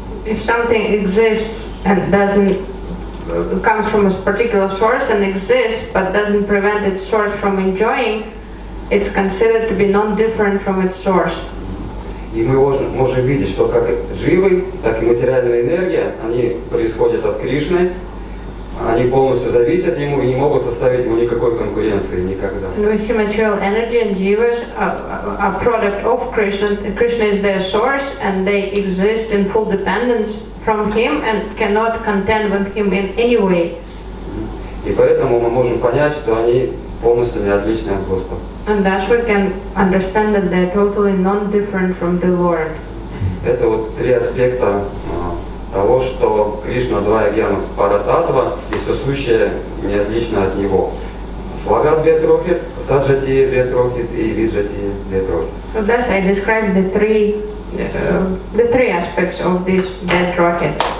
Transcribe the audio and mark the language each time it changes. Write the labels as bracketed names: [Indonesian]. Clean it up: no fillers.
[English] If something exists and doesn't comes from a particular source and exists but doesn't prevent its source from enjoying, it's considered to be non-different from its source. [Russian] И мы можем видеть, что как живы, так и материальная энергия, они происходят от Кришны, они полностью зависят ему и не могут составить ему никакой конкуренции никогда. [English] We see material energy and jivas are product of Krishna. Krishna is their source and they exist in full dependence from him and cannot contend with him in any way. [Russian] И поэтому мы можем понять, что они полностью не отличны от Господа. [English] And thus we can understand that they are totally non-different from the Lord. [Russian] Это вот три аспекта того, что Кришна Двайгьяна Парататва и все сущее не отлично от него. Слагат Ветрохит, Саджатия Ветрохит и Виджатия Ветрохит. [English] So thus I describe the three aspects of this Ветрохит.